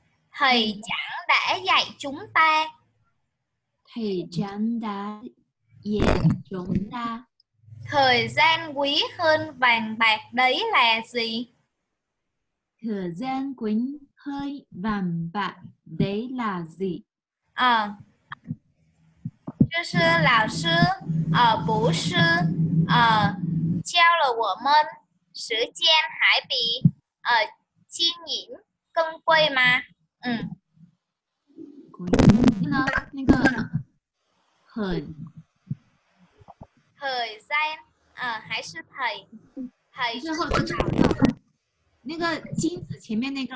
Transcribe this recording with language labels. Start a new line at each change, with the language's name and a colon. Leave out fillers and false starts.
Vietnamese: thầy giảng đã dạy chúng ta. Thầy giảng đã dạy chúng ta. Thời gian quý hơn vàng bạc đấy là gì? Thời gian quý hơn vàng bạc đấy là gì?
Chinese: À, 就是老师不是教了我们时间还比金银更贵吗？嗯，那个很，
Vietnamese: thời gian
Chinese: 还是
Vietnamese: thời，thời
Chinese: 是后面找到那个金子前面那个